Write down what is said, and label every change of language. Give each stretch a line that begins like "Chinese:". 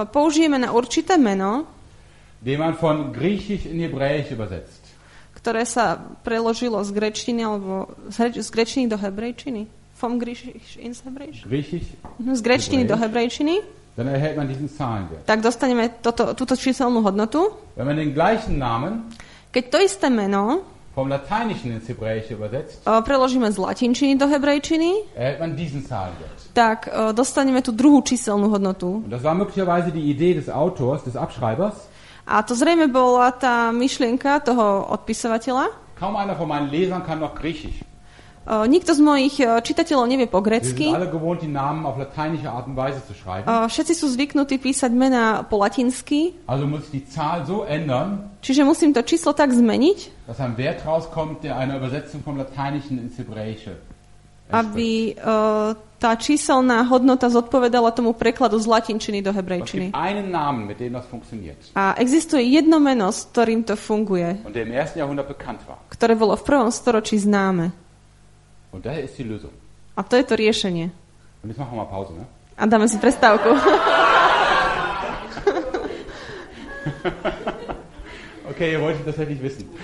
Slovak: použijeme na určité meno,
German: den man von griechisch in hebräisch übersetzt,
Slovak: ktoré sa preložilo z gréčtiny alebo z gréčtiny do hebrejčiny,
German: vom griechisch ins hebräisch, griechisch,
Slovak: z gréčtiny do hebrejčiny.
German: Dann erhält man diesen Zahlenwert.
Slovak: Tak dostaneme túto číselnú hodnotu.
German: Wenn man den gleichen Namen,
Slovak: keď to isté meno,
German: vom Lateinischen ins Hebräische übersetzt,
Slovak: preložíme z latinčiny do hebrejčiny,
German: erhält man diesen Zahlenwert.
Slovak: Tak dostaneme tú druhú číselnú hodnotu.
German: Und das war möglicherweise die Idee des Autors, des Abschreibers.
Slovak: A to zrejme bola tá myšlienka toho odpisovateľa.
German: Kaum einer von meinen Lesern kann noch Griechisch.
Slovak: Nikto z mojich čitateľov nevie po grécky.
German: Alle gewohnt die Namen auf lateinische Art und Weise zu schreiben.
Slovak: Všetci sú zvyknutí písať mená po latinsky.
German: Also muss die Zahl so ändern.
Slovak: Čiže musím to číslo tak zmeniť.
German: Dass ein Wert rauskommt, der einer Übersetzung vom Lateinischen ins Hebräische.
Slovak: Aby tá číselná hodnota zodpovedala tomu prekladu z latinčiny do hebrejčiny.
German: Einen Namen, mit dem das funktioniert.
Slovak: A existuje jedno meno, s ktorým to funguje.
German: Und der im ersten Jahrhundert bekannt war.
Slovak: Ktoré bolo v prvom storočí známe.
German: Und da ist die Lösung.
Slovak: A to je to riešenie.
German: Und jetzt machen wir mal Pause, ne?
Slovak: A dáme si prestávku.
German: Okay, ihr wollt das nicht wissen.